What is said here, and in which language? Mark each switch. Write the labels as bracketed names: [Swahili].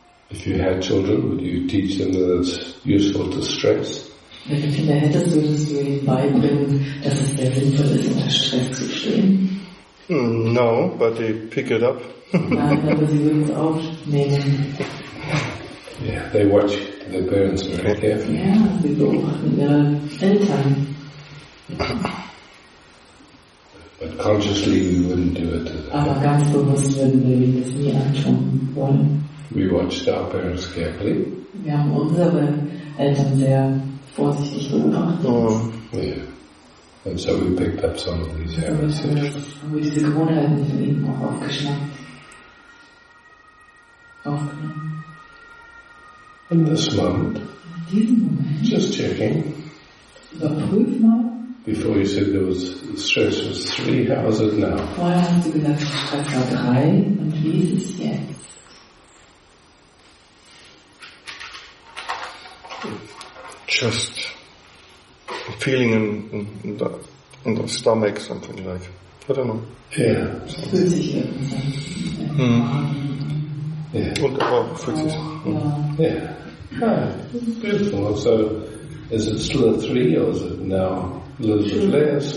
[English] If you had children, would you teach them that it's useful to stress? [German] Wenn du Kinder hättest, würdest du ihnen beibringen, dass es sehr sinnvoll ist, unter Stress zu stehen? [English] No, but they pick it up. [German] Nein, aber sie würden es aufnehmen. [English] Yeah, they watch their parents very carefully. [German] Ja, sie beobachten ihre Eltern. [English] But consciously we wouldn't do it. [German] Aber ganz bewusst würden wir das nie antun wollen. [English] We watched our parents carefully. [German] Wir haben unsere Eltern sehr vorsichtig beobachtet. [English] Oh, yeah. And so we picked up some of these habits. [German] Haben wir diese Gewohnheiten von ihnen auch aufgeschnappt. Aufgenommen. [English] In this moment. [German] In diesem Moment. [English] Just checking. [German] Überprüf mal. [English] Before you said there was stress was 3, how is it now? [German] Vorher hast du gesagt, Stress war 3, und wie ist es jetzt? [English] Just a feeling in the stomach, something like, I don't know. Yeah. [German] Fühlt sich irgendwie. Yeah. Und auch fühlt sich. [English] Yeah. Yeah. Beautiful. So, is it still a 3 or is it now? A little bit less,